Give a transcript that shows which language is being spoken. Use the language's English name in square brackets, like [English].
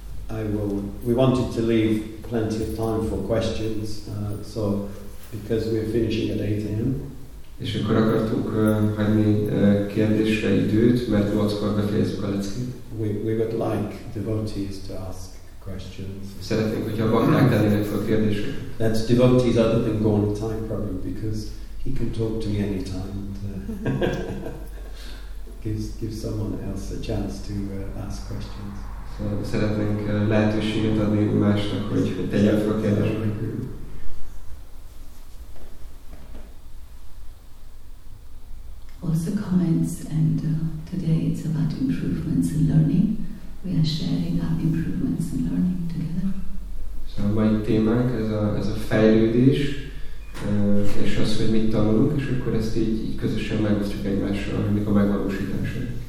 [English] And we wanted to leave plenty of time for questions, so because we're finishing at 8 a.m. [Hungarian] És akkor akartunk hagyni kérdésre időt, mert 8-kor befejezzük a leckét. [English] We would like devotees to ask questions. [Hungarian] Szeretnénk, hogyha a bakták tennének fel kérdéseket. [English] That's devotees other than going on time problem, because he can talk to me anytime and give someone else a chance to ask questions. [Hungarian] Szeretnénk lehetőséget adni másnak, hogy tegyen fel kérdéseket. [English] Also comments, and today it's about improvements in learning. We are sharing our improvements in learning together. So my [Hungarian] témánk ez a fejlődés, és az, hogy mit tanulunk, és akkor ezt így közösen megosztjuk egymással, mik a megvalósítások.